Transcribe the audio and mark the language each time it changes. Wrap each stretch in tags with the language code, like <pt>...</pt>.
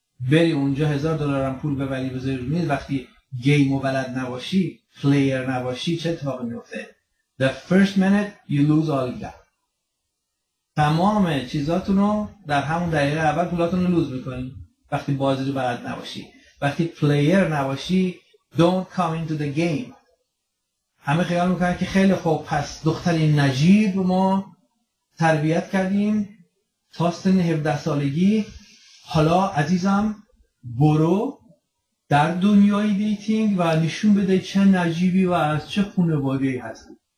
<fa>بری اونجا $1000 هم پول ببری بذاری روی میز، وقتی گیم و بلد نباشی، پلیر نباشی، چه اتفاقی میفته؟</fa> <en>The first minute you lose all your game.</en> <fa>تمام چیزاتونو در همون دقیقه اول پولاتونو لوز میکنی وقتی بازی رو بلد نباشی. وقتی پلیر نباشی</fa> <en>don't come into the game.</en> <fa>همه خیال میکنن که خیلی خوب، پس دختر نجیب ما تربیت کردیم تا سن 17 سالگی، حالا عزیزم برو در دنیای دیتینگ و نشون بده چه نجیبی و از چه خانواده‌ای هستی.</fa>